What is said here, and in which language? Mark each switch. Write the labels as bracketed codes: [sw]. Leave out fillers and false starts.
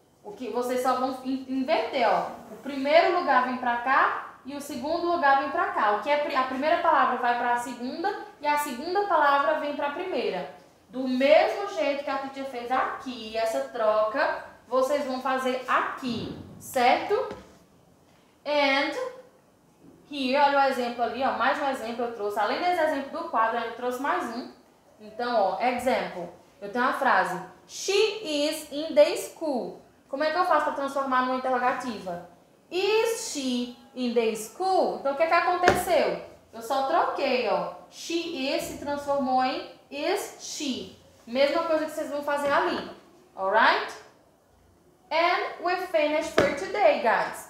[pt] O que vocês só vão inverter, ó. O primeiro lugar vem para cá e o segundo lugar vem para cá. O que é a primeira palavra vai para a segunda e a segunda palavra vem para a primeira. Do mesmo jeito que a Titia fez aqui, essa troca, vocês vão fazer aqui, certo? [en] And here, [pt] olha o exemplo ali, ó, mais um exemplo eu trouxe. Além desse exemplo do quadro, eu trouxe mais um. Então, ó, exemplo. Eu tenho a frase: [en] she is in the school. [pt] Como é que eu faço para transformar numa interrogativa? [en] Is she in the school? [pt] Então, o que é que aconteceu? Eu só troquei, ó. [en] She is [pt] se transformou em [en] is she. [pt] Mesma coisa que vocês vão fazer ali. [en] Alright? And we finished for today, guys.